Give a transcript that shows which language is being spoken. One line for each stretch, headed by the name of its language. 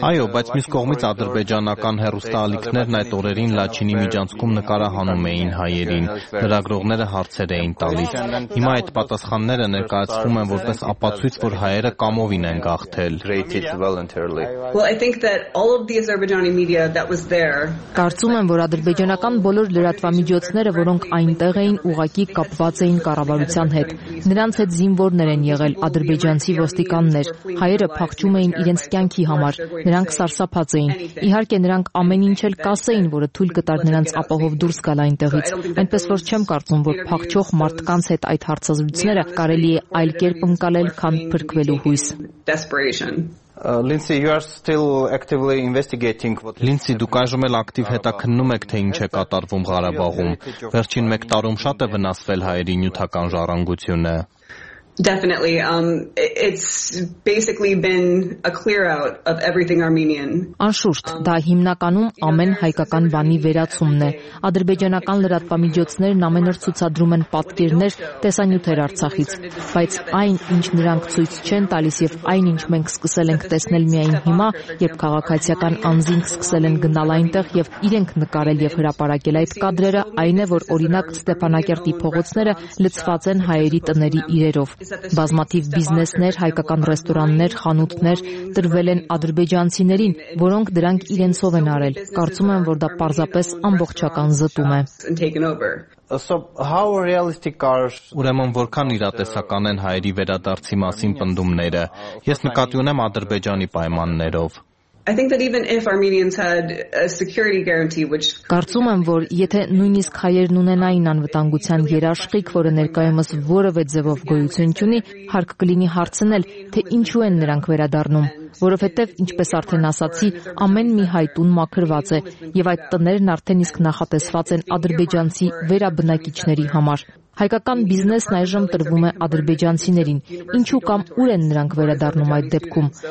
Armenian: այո, բայց մյուս կողմից ադրբեջանական հեռուստաալիքներն այդ օրերին Լաչինի միջանցքում նկարահանում էին հայերին, լրագրողները հարցեր էին տալիս։ Հիմա այդ պատասխանները ներկայացվում են որպես ապացույց, որ հայերը կամովին են գաղթել։
English: Well, I think that all of the Azerbaijani media that was there,
Armenian: կարծում եմ, որ ադրբեջանական բոլոր լրատվամիջոցները, որոնք այնտեղ էին, ուղղակի կապված էին կառավարության հետ, նրանց հետ զինվորներ են եղել ադրբեջանցի ոստիկաններ, հայերը փախչում մեին իրենց կյանքի համար, նրանք սարսափած էին։ Իհարկե նրանք ամեն ինչ էլ կասեին, որը թույլ կտար նրանց ապահով դուրս գալ այնտեղից, այնպես որ չեմ կարծում, որ փախչող մարդկանց հետ այդ հարցազրույցները կարելի է այլ կերպ ընկալել, քան փրկվելու հույս։
English: Լինցի, you are still actively investigating what
Armenian: Լինցի, դուք այժմ էլ ակտիվ հետաքննում եք, թե ինչ է կատարվում Ղարաբաղում։ Վերջին 1 տարում շատ է վնասվել հայերի նյութական ժառանգությունը։
English: Definitely. It's basically been a clear out of everything Armenian.
Armenian: Անշուշտ, դա հիմնականում ամեն հայկական բանի վերացումն է։ Ադրբեջանական լրատվամիջոցներն ամենուր ցուցադրում են պատկերներ, տեսանյութեր Արցախից, բայց այն, ինչ նրանք ցույց չեն տալիս եւ այն, ինչ մենք սկսել ենք տեսնել միայն հիմա, երբ քաղաքացիական անձինք սկսել են գնալ այնտեղ եւ իրենք նկարել եւ հրապարակել այդ կադրերը, այն է, որ օրինակ Ստեփանակերտի փողոցները լցված են հայերի տների իրերով։ Բազմաթիվ բիզնեսներ, հայկական ռեստորաններ, խանութներ տրվել են ադրբեջանցիներին, որոնք դրանք իրենցով են արել։ Կարծում եմ, որ դա պարզապես ամբողջական զտում է։
English: So how realistic are
Armenian: Ուրեմն որքան իրատեսական են հայերի վերադարձի մասին պնդումները։ Ես նկատի ունեմ Ադրբեջանի պայմաններով։
English: I think that even if Armenians had a security guarantee which
Armenian: Կարծում եմ, որ եթե նույնիսկ հայերն ունենային անվտանգության երաշխիք, որը ներկայումս որևէ ձևով գոյություն ունի, հարկ կլինի հարցնել, թե ինչու են նրանք վերադառնում, որովհետև ինչպես արդեն ասացի, ամեն մի հայտուն մաքրված է, եւ այդ տներն արդեն իսկ նախատեսված են ադրբեջանցի վերաբնակիչների համար։ Հայկական բիզնեսն այժմ տրվում է ադրբեջանցիներին։ Ինչու կամ ուր են նրանք վերադառնում այդ դեպքում։